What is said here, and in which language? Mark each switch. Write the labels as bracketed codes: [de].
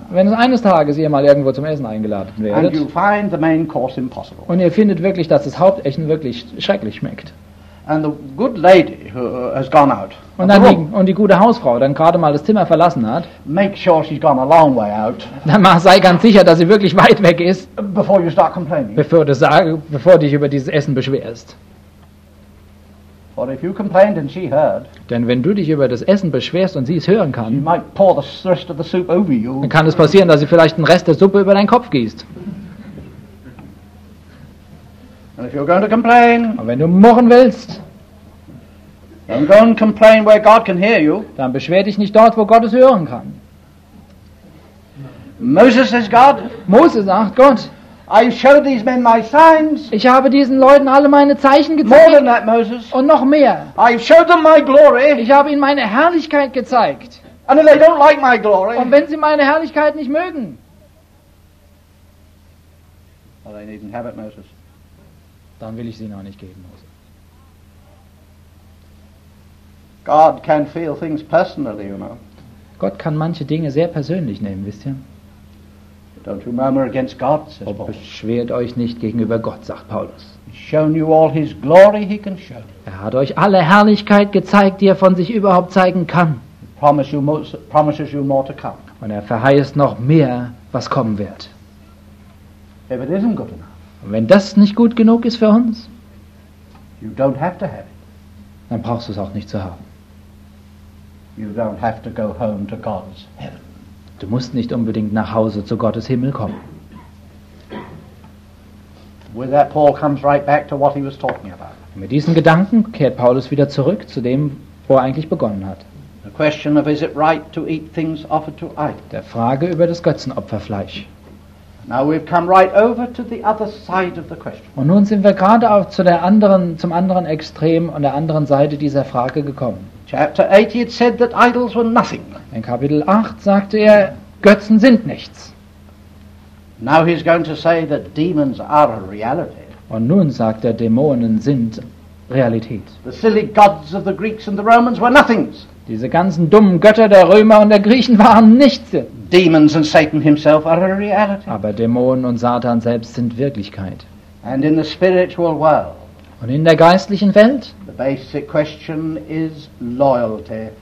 [de] wenn es eines Tages ihr mal irgendwo zum Essen eingeladen werdet, [en] and you find the main course impossible, [de] und ihr findet wirklich, dass das Hauptessen wirklich schrecklich schmeckt. [en] And the good lady who has gone out. [de] Und dann die gute Hausfrau, dann gerade mal das Zimmer verlassen hat. [en] Make sure she's gone a long way out. [de] Dann sei ganz sicher, dass sie wirklich weit weg ist. [en] Before you start complaining. [de] Bevor du dich über dieses Essen beschwerst. [en] For if you complained and she heard. [de] Denn wenn du dich über das Essen beschwerst und sie es hören kann. [en] She might pour the rest of the soup over you. [de] Dann kann es passieren, dass sie vielleicht den Rest der Suppe über deinen Kopf gießt. [en] And if you're going to complain, [de] und wenn du murren willst, [en] then go and complain where God can hear you. [de] Dann beschwer dich nicht dort, wo Gott es hören kann. [en] Moses says God. [de] Moses sagt Gott. [en] I showed these men my signs. [de] Ich habe diesen Leuten alle meine Zeichen gezeigt. [en] More than that, Moses. [de] Und noch mehr. [en] I showed them my glory. [de] Ich habe ihnen meine Herrlichkeit gezeigt. [en] And if they don't like my glory. [de] Und wenn sie meine Herrlichkeit nicht mögen. [en] Well, they needn't have it, Moses. [de] Dann will ich sie noch nicht geben, Moses. [en] God can feel things personally, you know. [de] Gott kann manche Dinge sehr persönlich nehmen, wisst ihr? [en] Don't you murmur against God, says Paul. [de] Beschwert euch nicht gegenüber Gott, sagt Paulus. [en] He's shown you all his glory he can show. [de] Er hat euch alle Herrlichkeit gezeigt, die er von sich überhaupt zeigen kann. [en] Promises you more to come. [de] Und er verheißt noch mehr, was kommen wird. [en] If it isn't good enough. [de] Und wenn das nicht gut genug ist für uns, [en] you don't have to have it. [de] Dann brauchst du es auch nicht zu haben. [en] You don't have to go home to God's heaven. [de] Du musst nicht unbedingt nach Hause zu Gottes Himmel kommen. [en] With that, Paul comes right back to what he was talking about. [de] Mit diesen Gedanken kehrt Paulus wieder zurück zu dem, wo er eigentlich begonnen hat. [en] The question of is it right to eat things offered to idols? [de] Der Frage über das Götzenopferfleisch. [en] Now we've come right over to the other side of the question. [de] Und nun sind wir gerade auch zum anderen Extrem und der anderen Seite dieser Frage gekommen. [en] Chapter 8 he had said that idols were nothing. [de] In Kapitel 8 sagte er, Götzen sind nichts. [en] Now he's going to say that demons are a reality. [de] Und nun sagt er, Dämonen sind Realität. [en] The silly gods of the Greeks and the Romans were nothings. [de] Diese ganzen dummen Götter der Römer und der Griechen waren nichts. [en] Demons and Satan himself are a reality. [de] Aber Dämonen und Satan selbst sind Wirklichkeit. [en] And in the spiritual world. [de] Und in der geistlichen Welt. [en] The basic question is loyalty.